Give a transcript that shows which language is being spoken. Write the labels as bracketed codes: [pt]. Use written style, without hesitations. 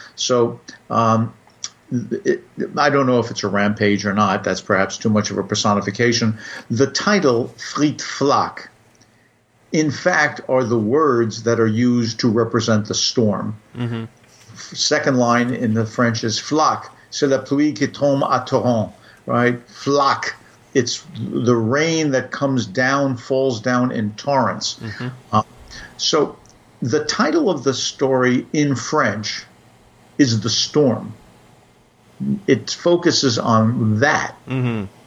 [en] So I don't know if it's a rampage or not. That's perhaps too much of a personification. The title, Frit Flak, in fact, are the words that are used to represent the storm. Mm-hmm. Second line in the French is Flak. [fr] C'est la pluie qui tombe à torrent, right? [en] Flak. It's the rain that comes down, falls down in torrents. Mm-hmm. So the title of the story in French is The Storm. It focuses on that, mm-hmm,